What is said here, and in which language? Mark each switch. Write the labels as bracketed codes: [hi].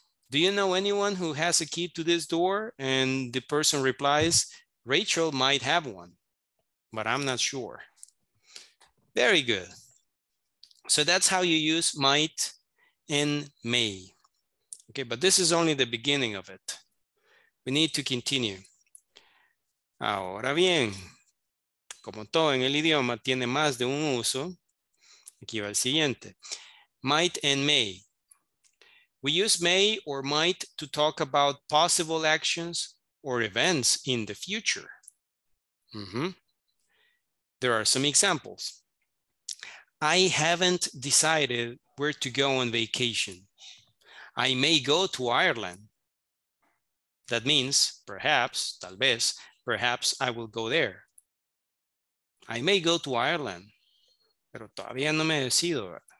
[en] Do you know anyone who has a key to this door? And the person replies, Rachel might have one, but I'm not sure. Very good. So that's how you use might and may. Okay, but this is only the beginning of it. We need to continue. [es] Ahora bien, como todo en el idioma tiene más de un uso, aquí va el siguiente. [en] Might and may. We use may or might to talk about possible actions or events in the future. There are some examples. I haven't decided where to go on vacation. I may go to Ireland. That means perhaps, [es] tal vez, [en] perhaps I will go there. I may go to Ireland, [es] pero todavía no me he decidido.